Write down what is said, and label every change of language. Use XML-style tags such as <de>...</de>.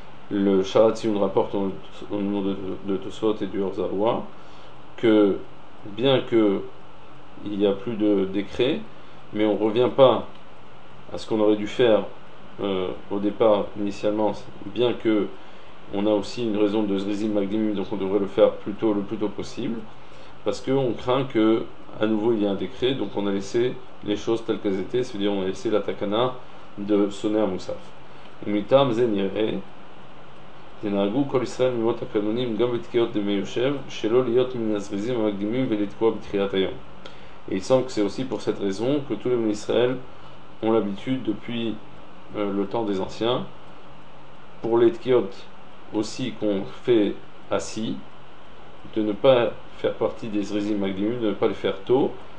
<fr>Le Shahat Sion rapporte au nom de Tosfot et du Orzaroua que bien qu'il n'y a plus de décret, mais on ne revient pas à ce qu'on aurait dû faire au départ initialement, bien que on a aussi une raison de Zrizim Magdimim, donc on devrait le faire le plus tôt possible, parce qu'on craint qu'à nouveau il y ait un décret, donc on a laissé les choses telles qu'elles étaient, c'est-à-dire on a laissé la Takana de sonner à Moussaf.</fr> <he>ומטעם זה נראה תנהגו כל ישראל ממות הקנונים גם בתקיעות דמי יושב שלא להיות מן הזריזים המקדימים ולתקוע בתחילת היום.</he> <fr>Et il semble que c'est aussi pour cette raison que tous les bénis d'Israël ont l'habitude depuis le temps des anciens, pour les tkiot aussi qu'on fait assis, de ne pas faire partie des zrizim magdimim, de ne pas les faire tôt.</fr>